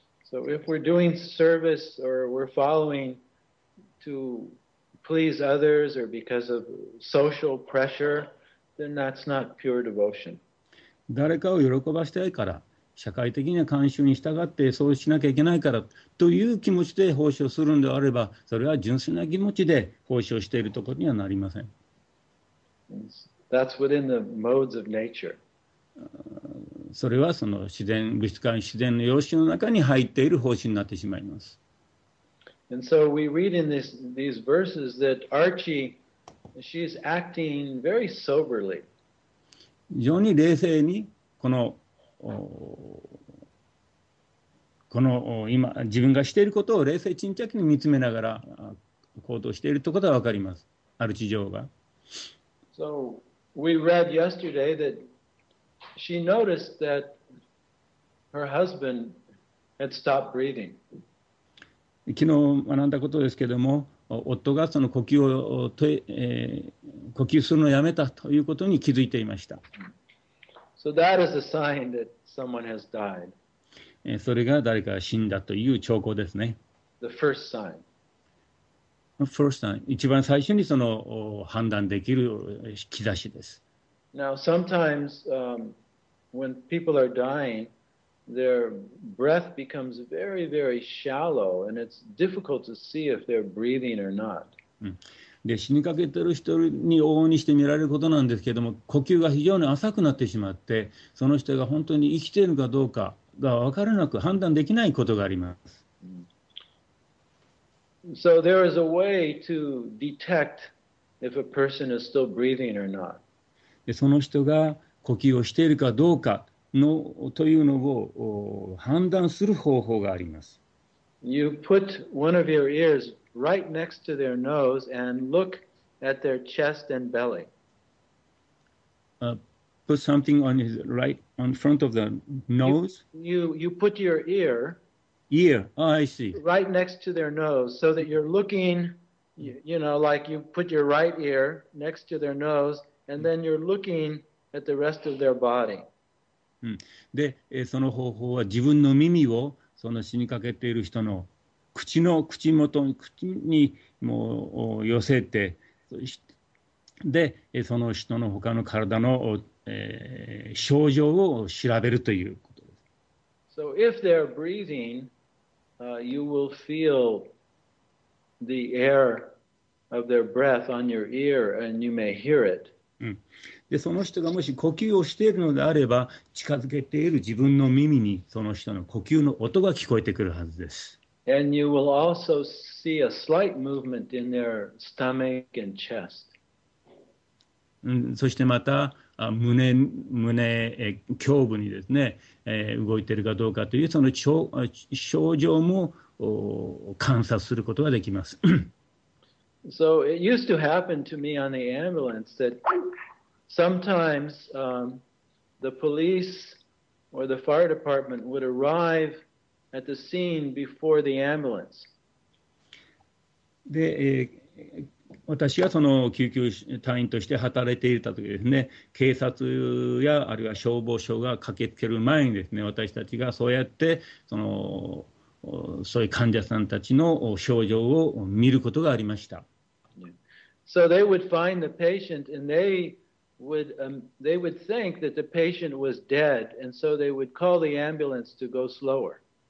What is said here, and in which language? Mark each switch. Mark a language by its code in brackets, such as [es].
[en] So if we're doing service or we're following to please others or because of social pressure, then that's not pure devotion. [ja] 誰かを喜ばせたいから、社会的な慣習に従ってそうしなきゃいけないからという気持ちで奉仕をするのであれば、それは純粋な気持ちで奉仕をしているところにはなりません。 [en] That's within the modes of nature. [ja] それはその自然、物質界、自然の様式の中に入っている奉仕になってしまいます。 [en] And so we read in these verses that Archie, she's acting very soberly. [ja] 非常に冷静にこの今自分がしていることを冷静沈着に見つめながら行動しているということが分かります。アルチ嬢が。 [en] So we read yesterday that she noticed that her husband had stopped breathing. [ja] 昨日学んだことですけれども、夫がその呼吸するのをやめたということに気づいていました。 [en] So that is a sign that someone has died. [ja] それが誰かが死んだという兆候ですね。 [en] The first sign. First sign. [ja] 一番最初にその判断できる兆しです。 [en] Now sometimes, when people are dying, their breath becomes very, very shallow, and it's difficult to see if they're breathing or not. [ja] で、死にかけている人に往々にして見られることなんですけれども、呼吸が非常に浅くなってしまって、その人が本当に生きているかどうかが分からなく判断できないことがあります。 [en] So there is a way to detect if a person is still breathing or not. [ja] で、その人が呼吸をしているかどうかのというのを判断する方法があります。 [en] You put one of your ears right next to their nose and look at their chest and belly. Put something on his right on front of the nose. You put your ear. Ear. Oh, I see. Right next to their nose, so that you're looking, you know, like you put your right ear next to their nose, and then you're looking at the rest of their body. [ja] で、その方法は自分の耳をその死にかけている人の口元に、口にもう寄せて、で、その人の他の体の、症状を調べるということです。 [en] So if they're breathing, you will feel the air of their breath on your ear and you may hear it. [ja] うん、でその人がもし呼吸をしているのであれば近づけている自分の耳にその人の呼吸の音が聞こえてくるはずです。 [en] And you will also see a slight movement in their stomach and chest.、 [ja] うん、そしてまた胸、胸部にですね、動いているかどうかというその症状も観察することができます。 [en] So it used to happen to me on the ambulance that sometimes、the police or the fire department would arrive at the scene before the ambulance. [ja] で、私はその救急隊員として働いていた時ですね、警察やあるいは消防署が駆けつける前にですね、私たちがそうやってそういう患者さんたちの症状を見ることがありました。 [en] So they would find the patient and they would think that the patient was dead and so they would call the ambulance to go slower.